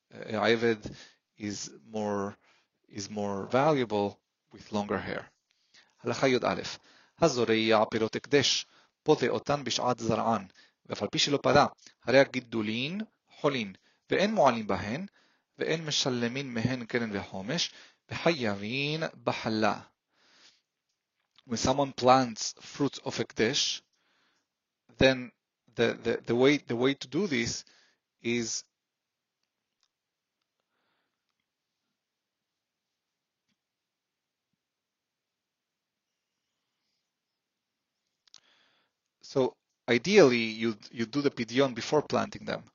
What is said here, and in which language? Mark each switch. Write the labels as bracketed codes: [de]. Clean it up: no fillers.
[en] Ayved is more valuable with longer hair. [he] הלכה י"א, הזורע פירות הקדש, פודה אותן בשעת זרען, ואף על פי שלא פדה, הרי הגידולין חולין, ואין מועלים בהן, ואין משלמין מהן קרן וחומש, וחייבין בחלה. [en] When someone plants fruits of Ekdesh, then the way to do this is so ideally you do the pidyon before planting them.